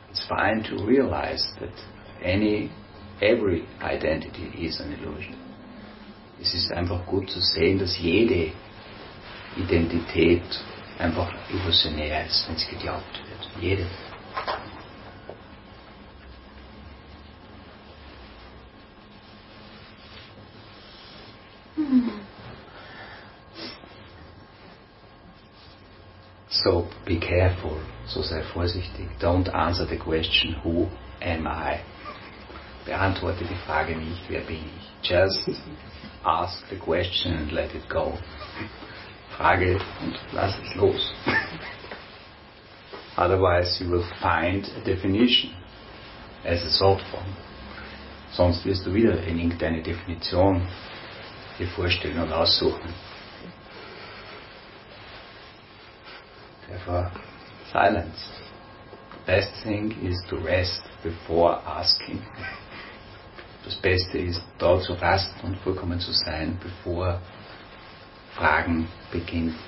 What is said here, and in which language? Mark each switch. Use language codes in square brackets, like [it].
[en] To realize that every identity is an illusion. [de] Es ist einfach gut zu sehen, dass jede Identität einfach illusionär ist, wenn sie geglaubt wird. Jede. [en] So be careful. [de] So sei vorsichtig. [en] Don't answer the question, who am I? [de] Beantworte die Frage nicht, wer bin ich? [en] Just ask the question and let it go. [de] Frage und lass es los. [en] Otherwise you will find a definition as a thought form. [de] Sonst wirst du wieder in irgendeine Definition dir vorstellen und aussuchen. [en] Therefore, silence. The best thing is to rest before asking. [de] Das Beste ist, da zu rasten und vollkommen zu sein, bevor Fragen beginnt.